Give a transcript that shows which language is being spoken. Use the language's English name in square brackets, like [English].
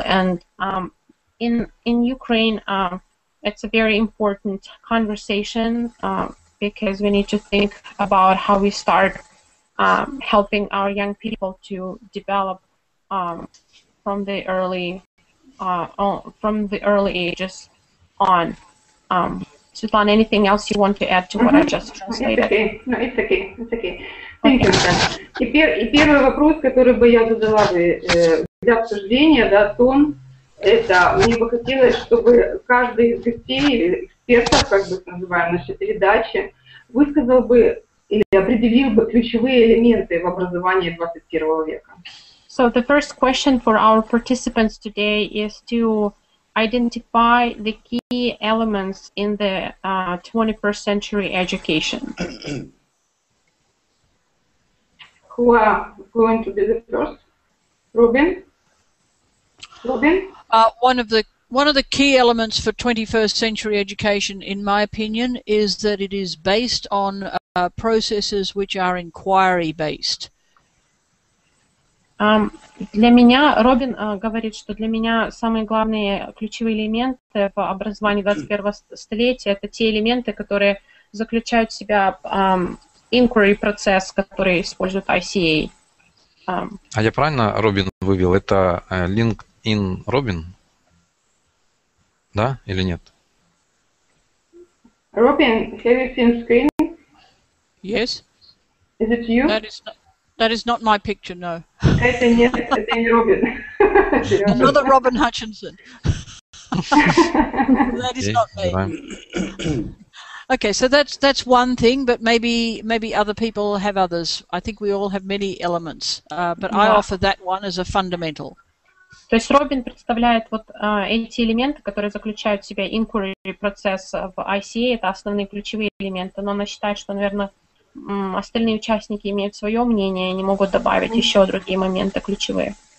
[English] And in Ukraine, it's a very important conversation, because we need to think about how we start helping our young people to develop from the early ages on. Svetlana, anything else you want to add to what I just translated? It's okay. No, it's okay. Thank you. [Russian] И первый вопрос, который бы я задала для обсуждения, да, тон, это мне бы хотелось, чтобы каждый из гостей или экспертов, как бы называем, значит, передачи, высказал бы или определил бы ключевые элементы в образовании 21 века. [English] So the first question for our participants today is to identify the key elements in the 21st century education. Who are going to be the first? Robin? One of the key elements for 21st century education, in my opinion, is that it is based on processes which are inquiry-based. [Russian] Для меня, Робин говорит, что для меня самые главные ключевые элементы в образовании 21-го столетия – это те элементы, которые заключают в себя inquiry-процесс, который использует ICA. А я правильно, Робин, вывел? Это LinkedIn Robin? Да или нет? [English] Robin, have you seen screen? Yes. Is it you? That is not my picture, no. [Russian] Это не Robin. [English] Another Robin Hutchinson. That is not me. Okay, so that's one thing, but maybe other people have others. I think we all have many elements, but yeah. I offer that one as a fundamental. [Russian] То есть Робин представляет вот эти элементы, которые заключают в себя inquiry процесс в ICA, это основные ключевые элементы, но она считает, что, наверное, остальные участники имеют свое мнение, они могут добавить еще другие моменты ключевые.